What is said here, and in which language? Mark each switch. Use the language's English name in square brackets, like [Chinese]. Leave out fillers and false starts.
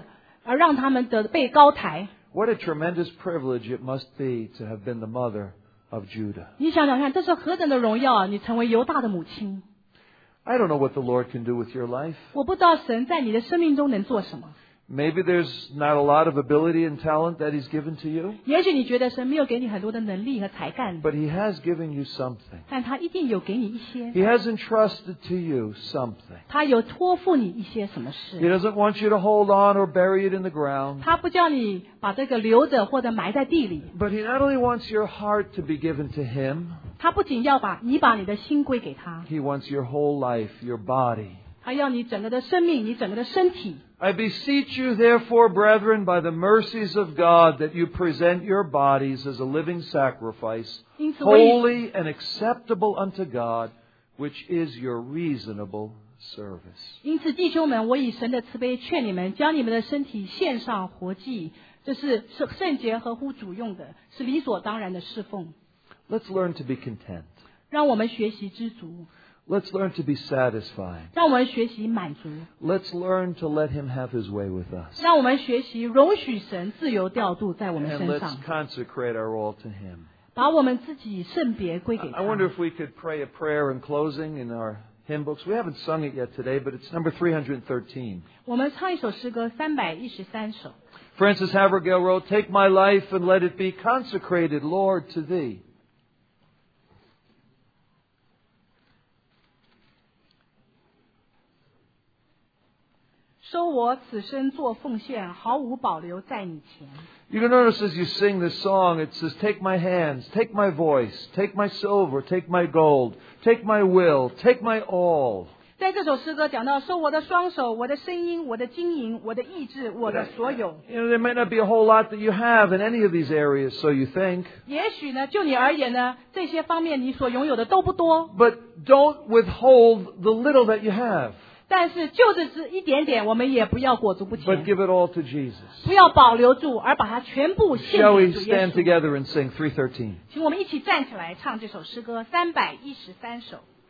[Chinese] 神选择了那个卑贱的软弱的，而让他们得被高抬。 [English] What a tremendous privilege it must be to have been the mother of Judah. [Chinese] 你想想看,这是何等的荣耀,你成为犹大的母亲。 [English] I don't know what the Lord can do with your life. [Chinese] 我不知道神在你的生命中能做什么。 [English] Maybe there's not a lot of ability and talent that He's given to you. [Chinese] 也许你觉得神没有给你很多的能力和才干。 [English] But He has given you something. [Chinese] 但他一定有给你一些。 [English] He has entrusted to you something. [Chinese] 他有托付你一些什么事。 [English] He doesn't want you to hold on or bury it in the ground. [Chinese] 他不叫你 把这个留着或者埋在地里, [English] but he not only wants your heart to be given to him, [Chinese] 他不仅要把你把你的心归给他, [English] he wants your whole life, your body. [Chinese] 他要你整个的生命, 你整个的身体。 [English] I beseech you therefore, brethren, by the mercies of God, that you present your bodies as a living sacrifice, holy and acceptable unto God, which is your reasonable service. [Chinese] 因此弟兄们, 我以神的慈悲劝你们, 将你们的身体献上活祭, 这是圣洁合乎主用的, 是理所当然的侍奉。 [English] Let's learn to be content. [Chinese] 让我们学习知足。 [English] Let's learn to be satisfied. [Chinese] 让我们学习满足。 [English] Let's learn to let Him have His way with us. [Chinese] 让我们学习容许神自由调度在我们身上。 [English] And let's consecrate our all to Him. [Chinese] 把我们自己圣别归给他。 [English] I wonder if we could pray a prayer in closing in our hymn books. We haven't sung it yet today, but it's number 313. [Chinese] 我们唱一首诗歌, 313首。 [English] Francis Havergal wrote, Take my life and let it be consecrated, Lord, to Thee. [Chinese] 收我此生做奉献，毫无保留在你前。 [English] You can notice as you sing this song, it says, take my hands, take my voice, take my silver, take my gold, take my will, take my all. [Chinese] 在这首诗歌讲到说我的双手，我的声音，我的经营，我的意志，我的所有。 [English] You know, there may not be a whole lot that you have in any of these areas, so you think. [Chinese] 也许呢，就你而言呢，这些方面你所拥有的都不多。 [English] But don't withhold the little that you have. [Chinese] 但是就是这一点点我们也不要裹足不前。 [English] But give it all to Jesus. [Chinese] 不要保留住而把它全部献给主耶稣。 [English] Shall we stand together and sing 313? [Chinese] 请我们一起站起来唱这首诗歌313首。